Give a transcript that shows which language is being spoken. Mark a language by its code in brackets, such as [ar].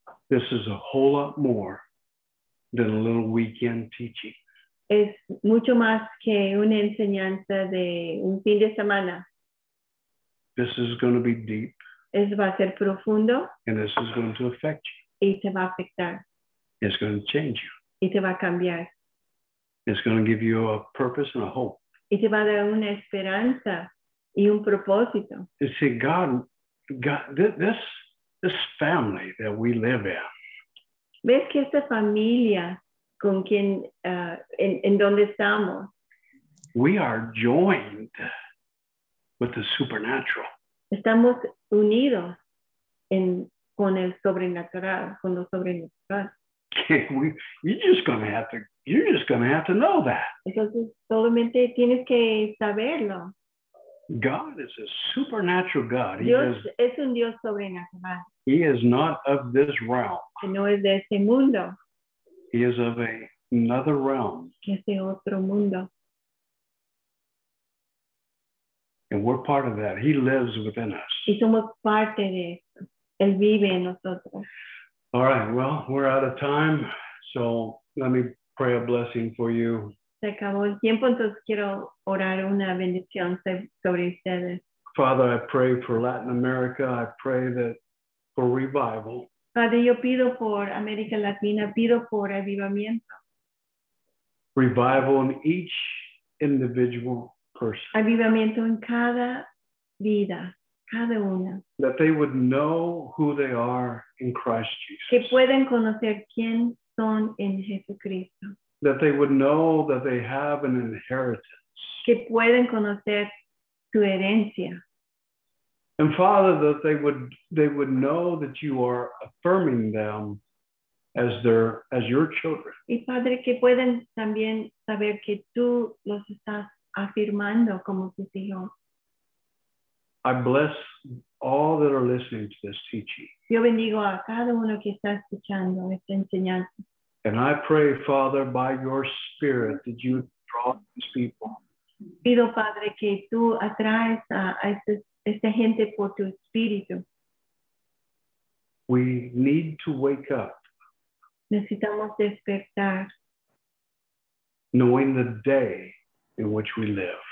[en] This is a whole lot more than a little weekend teaching. [es] Es mucho más que una enseñanza de un fin de semana. [en] This is going to be deep. [es] Es va a ser profundo. [en] And this is going to affect you. [es] Y te va a afectar. [en] It's going to change you. [es] Y te va a cambiar. [en] It's going to give you a purpose and a hope. [es] Y te va a dar una esperanza y un propósito. [en] You see, God, this family that we live in. [es] ¿Ves que esta familia con quien, en donde estamos? [en] We are joined with the supernatural. [es] Estamos unidos en con el sobrenatural, con lo sobrenatural. [en] You're just gonna have to know that. [es] Entonces, solamente tienes que saberlo. [en] God is a supernatural God. [es] Dios es un Dios sobrenatural. [en] He is not of this realm. [es] No es de este mundo. [en] He is of another realm. [es] Es de otro mundo. [en] And we're part of that. He lives within us. [es] Y somos parte de eso. Él vive en nosotros. [en] All right, well, we're out of time, so let me pray a blessing for you. [es] Se acabó el tiempo, entonces quiero orar una bendición sobre ustedes. [en] Father, I pray for Latin America. I pray that for revival. [es] Padre, yo pido por América Latina. Pido por avivamiento. [en] Revival in each individual person. [es] Avivamiento en cada vida. Cada una. [en] That they would know who they are in Christ Jesus. [es] Que pueden conocer quién son en Jesucristo. [en] That they would know that they have an inheritance. [es] Que pueden conocer su herencia. [en] And Father, that they would know that you are affirming them as your children. [es] Y Padre, que pueden también saber que tú los estás afirmando como tus hijos. [en] I bless all that are listening to this teaching. [es] Yo bendigo a cada uno que está escuchando esta enseñanza. [en] And I pray, Father, by your Spirit, that you draw these people. [es] Pido, Padre, que tú atraes a esta gente por tu Espíritu. [en] We need to wake up. [es] Necesitamos despertar. [en] Knowing the day in which we live.